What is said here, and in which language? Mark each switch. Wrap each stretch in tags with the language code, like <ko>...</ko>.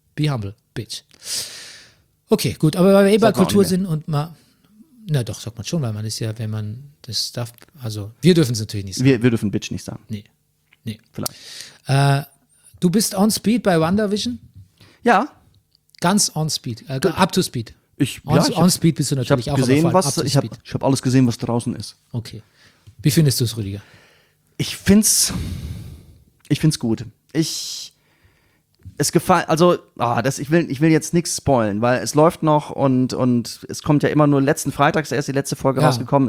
<en>be humble, bitch.</en> <de>Okay, gut, aber weil wir eh bei Kultur sind und mal, na doch, sagt man schon, weil man ist ja, wenn man das darf, also wir dürfen es natürlich nicht sagen. Wir dürfen Bitch nicht sagen. Nee. Vielleicht. Du bist</de> <en>on speed</en> <de>bei WandaVision? Ja.</de> <en>Ganz on speed, up to speed. On speed</en> <de>bist du natürlich auch. Ich hab alles gesehen, was draußen ist. Okay. Wie findest du es, Rüdiger? Ich find's gut. Ich will jetzt nichts spoilen, weil es läuft noch und es kommt ja immer nur letzten Freitags erst die letzte Folge rausgekommen.</de>